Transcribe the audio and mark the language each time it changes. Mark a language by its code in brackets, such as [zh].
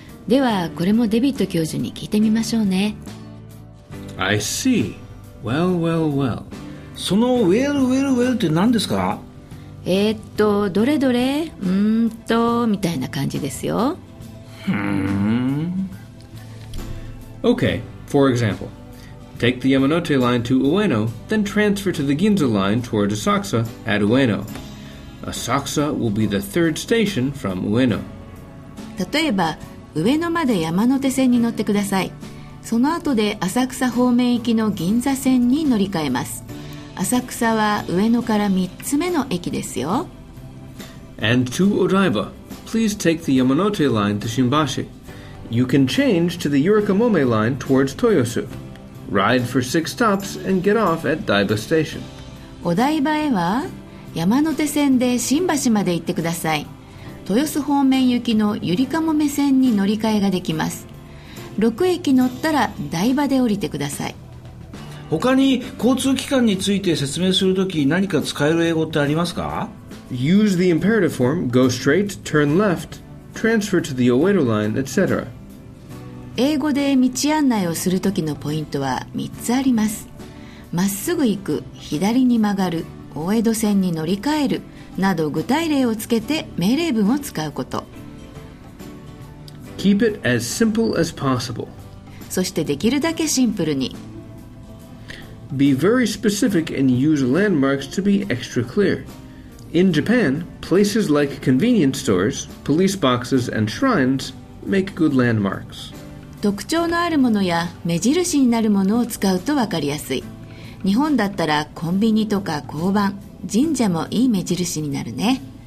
[ja] ではこれもデビット教授に聞いてみましょうね。 [en] I see. Well, well, well. [ja] その [en] well, well, well [ja] って何ですか。どれどれ、みたいな感じですよ。 [en] Okay, for example, take the Yamanote line to Ueno, then transfer to the Ginza line toward Asakusa at Ueno. Asakusa will be the third station from Ueno. [ja] 例えば、上野まで山手線に乗ってください。その後で浅草方面行きの銀座線に乗り換えます。浅草は上野から3つ目の駅ですよ。 [en] And to Odaiba, please take the Yamanote line to Shimbashi. You can change to the Yurikamome line towards Toyosu. Ride for six stops and get off at Daiba Station. [ja] お台場へは山手線で新橋まで行ってください。豊洲方面行きのゆりかもめ線に乗り換えができます。 6駅乗ったら台場で降りてください。他に交通機関について説明するとき何か使える英語ってありますか？ [en] Use the imperative form, go straight, turn left, transfer to the Oedo line, etc. [ja] 英語で道案内をするときのポイントは3つあります。まっすぐ行く、左に曲がる、大江戸線に乗り換えるなど具体例をつけて命令文を使うこと。 [en] Keep it as simple as possible. [ja] そしてできるだけシンプルに。 [en] Be very specific and use landmarks to be extra clear. In Japan, places like convenience stores, police boxes and shrines make good landmarks. [ja] 特徴のあるものや目印になるものを使うと分かりやすい。日本だったらコンビニとか交番、神社もいい目印になるね。